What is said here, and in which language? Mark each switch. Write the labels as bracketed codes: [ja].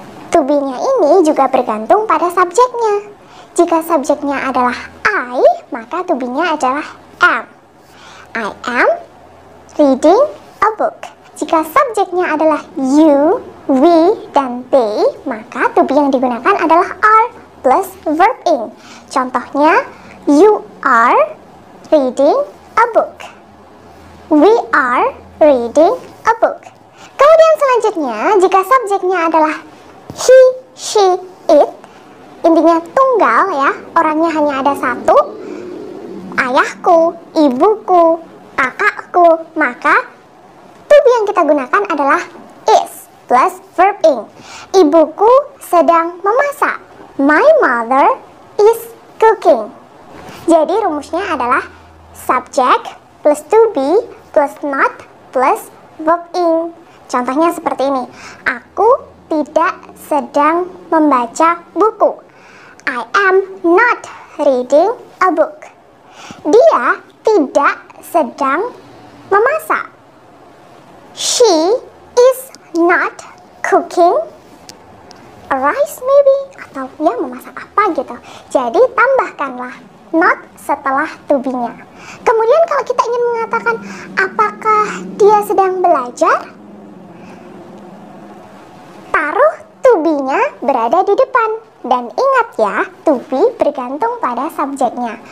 [id] To be-nya ini juga bergantung pada subjeknya. Jika subjeknya adalah I, maka to be-nya adalah am. [en] I am reading a book. [id] Jika subjeknya adalah you, we, dan they, maka to be yang digunakan adalah are plus verb ing. [en] Contohnya, you are reading a book. We are reading a book. [id] Kemudian selanjutnya, jika subjeknya adalah he, she, it, intinya tunggal ya, orangnya hanya ada satu, ayahku, ibuku, kakakku, maka to be yang kita gunakan adalah is plus verb ing. Ibuku sedang memasak. [en] My mother is cooking. [id] Jadi rumusnya adalah subject plus to be plus not plus verb ing. Contohnya seperti ini. Aku tidak sedang membaca buku. [en] I am not reading a book. [id] Dia tidak sedang memasak. [en] She is not cooking a rice maybe. [id] Atau ya memasak apa gitu. Jadi tambahkanlah not setelah to be-nya. Kemudian kalau kita ingin mengatakan apakah dia sedang belajar, taruh to be-nya berada di depan. Dan ingat ya, to be bergantung pada subjeknya.